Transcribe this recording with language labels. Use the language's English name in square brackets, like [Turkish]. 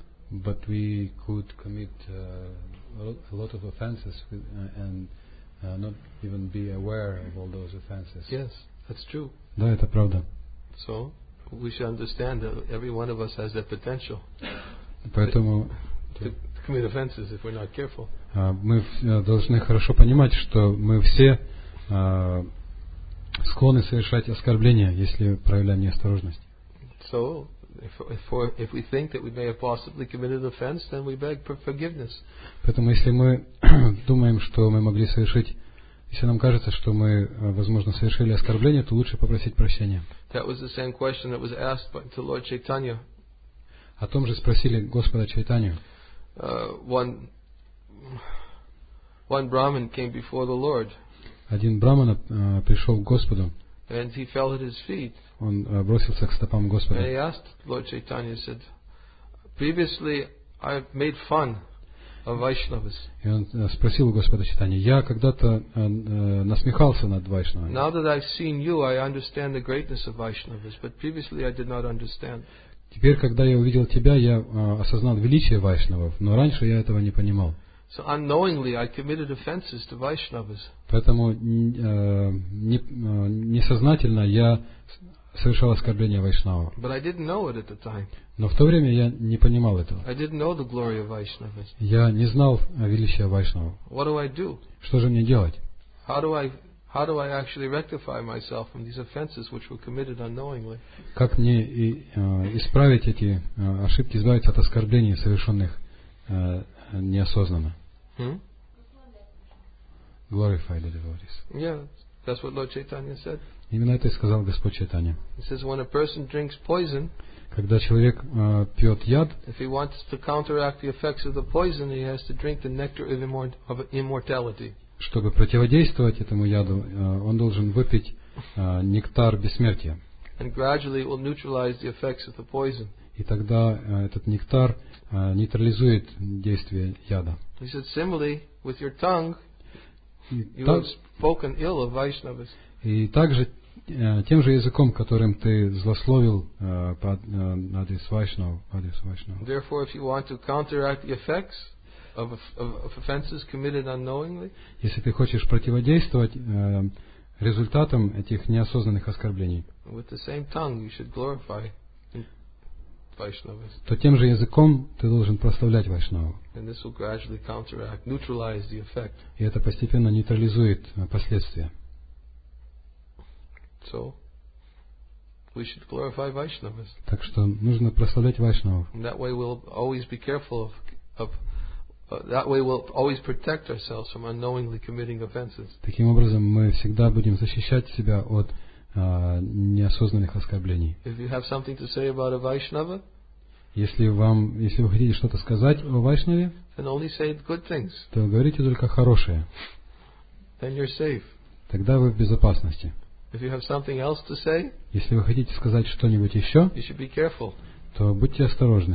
[English] But we could commit a lot of offenses with, and not even be aware of all those offenses. Yes, that's true. [Russian] Да, это правда. [English] So we should understand that every one of us has that potential. [Russian] Поэтому [English] to commit offenses if we're not careful. [Russian] Мы должны хорошо понимать, что мы все склонны совершать оскорбления, если проявляем неосторожность. [English] So. If we think that we may have possibly committed an offense, then we beg for forgiveness. [Russian] Поэтому, если мы думаем, что мы могли совершить, если нам кажется, что мы, возможно, совершили оскорбление, то лучше попросить прощения. [English] That was the same question that was asked to Lord Chaitanya. [Russian] О том же спросили Господа Чайтанью. [English] One Brahmin came before the Lord. [Russian] Один Брахмана пришел к Господу. [English] And he fell at his feet. [Russian] Он бросился к стопам Господа. [English] And he asked Lord Chaitanya, he said, "Previously I made fun of Vaishnavas." [Russian] И он спросил у Господа Чайтаньи: "Я когда-то насмехался над Вайшнавами." [English] Now that I've seen you, I understand the greatness of Vaishnavas, but previously I did not understand. [Russian] Теперь, когда я увидел тебя, я осознал величие Вайшнавов, но раньше я этого не понимал. [English] So unknowingly I committed offenses to Vaishnavas. [Russian] Поэтому несознательно я совершал оскорбление Вайшнава. [English] But I didn't know it at the time. [Russian] Но в то время я не понимал этого. [English] I didn't know the glory of Vaishnavas. [Russian] Я не знал величия Вайшнава. [English] What do I do? [Russian] Что же мне делать? [English] How do I actually rectify myself from these offenses which were committed unknowingly? [Russian] Как мне исправить эти ошибки, избавиться от оскорблений, совершенных неосознанно? [English] Glorify the devotees. Yeah, that's what Lord Chaitanya said. [Russian] Именно это и сказал Господь Чайтанья. [English] He says, when a person drinks poison, [Russian] когда человек пьет яд, [English] if he wants to counteract the effects of the poison, he has to drink the nectar of immortality. [Russian] чтобы противодействовать этому яду, он должен выпить нектар бессмертия. [English] And gradually it will neutralize the effects of the poison. [Russian] И тогда этот нектар нейтрализует действие яда. [English] He said, similarly, with your tongue, you have spoken ill of Vaishnavas. [Russian] И также тем же языком, которым ты злословил адрес Вайшнава. [English] Therefore, if you want to counteract the effects of offenses committed unknowingly, [Russian] если ты хочешь противодействовать результатам этих неосознанных оскорблений, [English] with the same tongue you should glorify Vaishnavas. [Russian] То тем же языком ты должен прославлять Вайшнаву. [English] And this will gradually counteract, neutralize the effect. [Russian] И это постепенно нейтрализует последствия. [English] So, we should glorify Vaishnavas. [Russian] Так что нужно прославлять Вайшнаву. [English] That way we'll always be careful that way we'll always protect ourselves from unknowingly committing offenses. [Russian] Таким образом, мы всегда будем защищать себя от неосознанных оскорблений. [English] If you have something to say about a Vaishnava, [Russian] если вы хотите что-то сказать о Вайшнаве, [English] then only say good things. [Russian] То говорите только хорошее. [English] Then you're safe. [Russian] Тогда вы в безопасности. [English] If you have something else to say, [Russian] если вы хотите сказать что-нибудь еще, [English] you should be careful. [Russian] То будьте осторожны.